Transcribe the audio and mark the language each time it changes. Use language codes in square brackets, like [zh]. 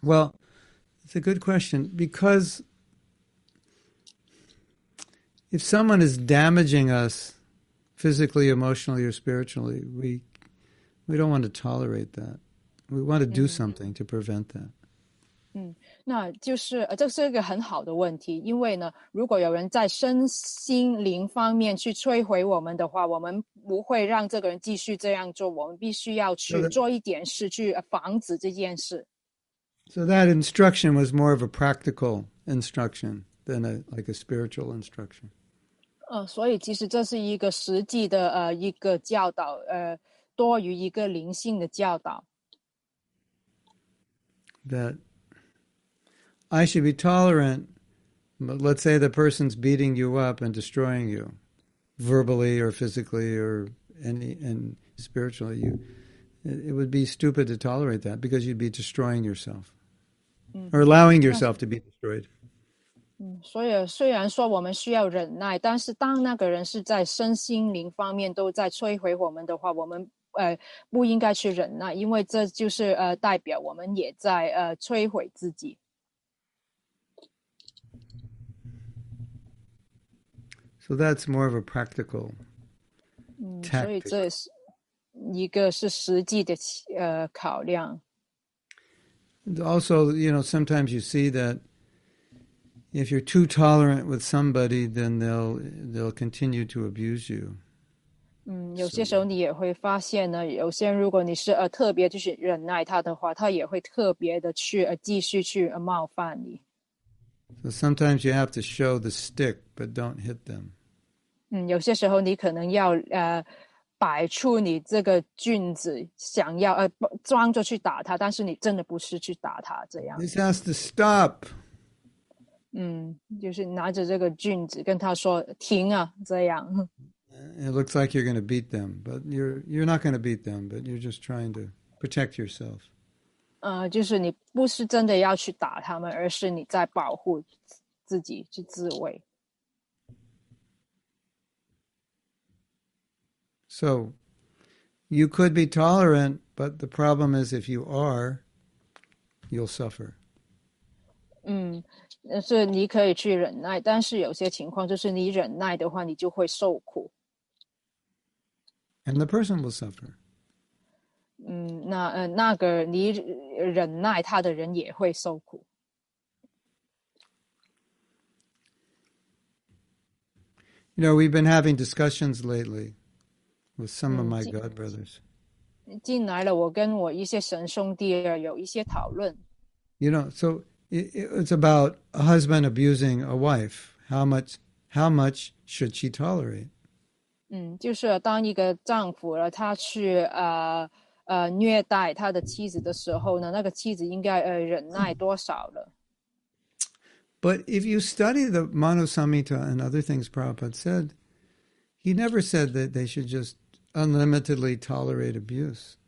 [en] Well, it's a good question, because if someone is damaging us physically, emotionally, or spiritually, we don't want to tolerate that. We want to do something to prevent that. [zh] 那就是这是一个很好的问题，因为呢，如果有人在身心灵方面去摧毁我们的话，我们不会让这个人继续这样做，我们必须要去做一点事去防止这件事。 [en] So that instruction was more of a practical instruction than a spiritual instruction. [zh] 所以其实这是一个实际的一个教导，多于一个灵性的教导。 [en] That I should be tolerant, but let's say the person's beating you up and destroying you, verbally or physically or and spiritually. It would be stupid to tolerate that because you'd be destroying yourself or allowing yourself to be destroyed. [zh] 所以虽然说我们需要忍耐，但是当那个人是在身心灵方面都在摧毁我们的话，我们不应该去忍耐，因为这就是代表我们也在摧毁自己。 [en] So that's more of a practical tactic. [zh] 所以这是一个是实际的考量。 [en] Also, sometimes you see that if you're too tolerant with somebody, then they'll continue to abuse you. [zh] 有些时候你也会发现呢，有些人如果你是特别就是忍耐他的话，他也会特别的去继续去冒犯你。 [en] So sometimes you have to show the stick, but don't hit them. [zh] 有些时候你可能要摆出你这个菌子想要装着去打它，但是你真的不是去打它这样。 [en] This has to stop. [zh] 嗯，就是拿着这个菌子跟他说停啊这样。 [en] It looks like you're going to beat them, but you're not going to beat them, but you're just trying to protect yourself. [zh] 就是你不是真的要去打他们，而是你在保护自己去自卫。 [en] So, you could be tolerant, but the problem is if you are, you'll suffer. [zh] 嗯，是你可以去忍耐，但是有些情况就是你忍耐的话，你就会受苦。 [en] And the person will suffer. [zh] 嗯，那个你忍耐他的人也会受苦。 [en] You know, we've been having discussions lately. With some of my God brothers. [zh] 进来了，我跟我一些神兄弟有一些讨论。 [en] You know, so it's about a husband abusing a wife. How much should she tolerate? [zh] 就是当一个丈夫了，他去虐待他的妻子的时候呢，那个妻子应该忍耐多少了？ [en] But if you study the Manusamhita and other things Prabhupada said, he never said that they should just unlimitedly tolerate abuse.